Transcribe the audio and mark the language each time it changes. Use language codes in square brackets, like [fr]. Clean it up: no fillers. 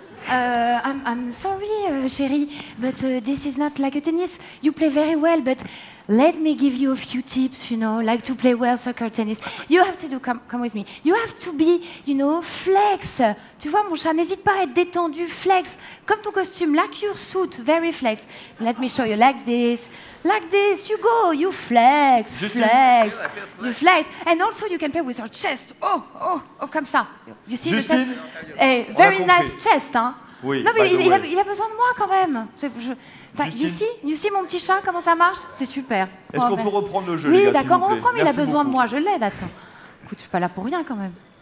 [en] I'm sorry, chérie, but this is not like a tennis. You play very well, but let me give you a few tips, you know, like to play well soccer tennis. You have to do, come with me. You have to be, you know, flex. [fr] Tu vois, mon chat, n'hésite pas à être détendu, flex. Comme ton costume, [en] like your suit, very flex. Let me show you, like this. Like this, you go, you flex, flex, you flex. And also you can play with your chest. Oh, oh, oh, [fr] comme ça. [en] You see Justine, the chest? Hey, very nice chest, hein? [fr] Oui, non, mais il a besoin de moi quand même. [en] You see, [fr] mon petit chat, comment ça marche? C'est super. Est-ce qu'on peut reprendre le jeu, oui, les gars? Oui, d'accord, s'il vous plaît. On reprend, mais il a besoin de moi. Je l'aide, attends. Écoute, je suis pas là pour rien quand même.